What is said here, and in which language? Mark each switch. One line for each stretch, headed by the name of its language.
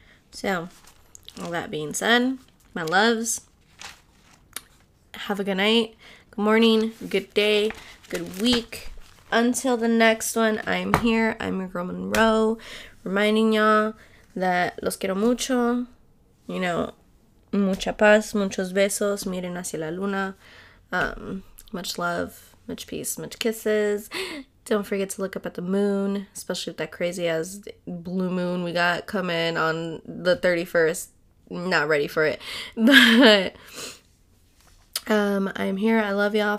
English: So, all that being said, my loves, have a good night, good morning, good day, good week. Until the next one, I'm here. I'm your girl Monroe, reminding y'all that los quiero mucho.
Spanish: You know, mucha paz, muchos besos, miren hacia la luna.
English: Much love, much peace, much kisses. Don't forget to look up at the moon, especially with that crazy ass blue moon we got coming on the 31st. Not ready for it, but I'm here. I love y'all.